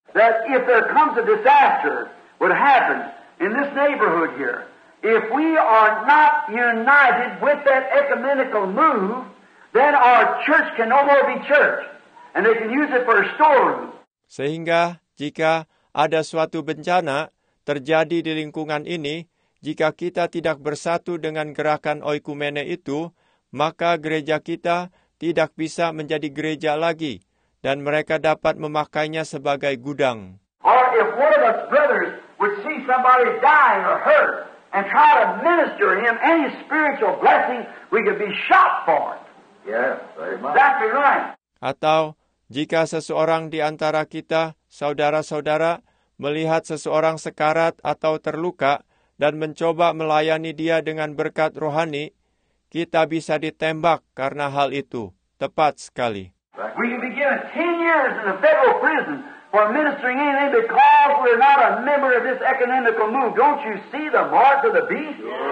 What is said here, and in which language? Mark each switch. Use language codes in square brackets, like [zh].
[en] That if there comes a disaster, what happens in this neighborhood here, if we are not united with that ecumenical move, then our church can no more be church, and they can use it for a storeroom. [id] Sehingga jika ada suatu bencana terjadi di lingkungan ini, jika kita tidak bersatu dengan gerakan oikumene itu, maka gereja kita tidak bisa menjadi gereja lagi, dan mereka dapat memakainya sebagai gudang. [en] Or if one of us brothers would see somebody dying or hurt and try to minister him any spiritual blessing, we could be shot for it. Yes, that's right. [id] Atau jika seseorang di antara kita, saudara-saudara, melihat seseorang sekarat atau terluka dan mencoba melayani dia dengan berkat rohani, kita bisa ditembak karena hal itu. Tepat sekali. [en] We can be given 10 years in a federal prison for ministering anything because we're not a member of this ecumenical move. Don't you see the mark of the beast?